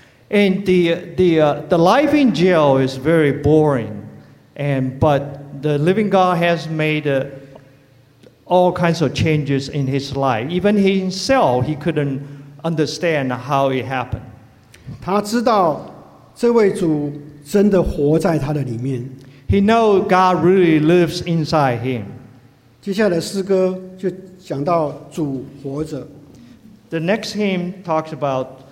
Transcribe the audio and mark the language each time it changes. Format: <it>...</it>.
<en>And the life in jail is very boring, and but the living God has made all kinds of changes in his life. Even he himself, he couldn't understand how it happened.</en> <zh>他知道这位主真的活在他的里面。</zh> <en>He knows God really lives inside him.</en> <zh>接下来诗歌就讲到主活着。</zh> <en>The next hymn talks about.</en>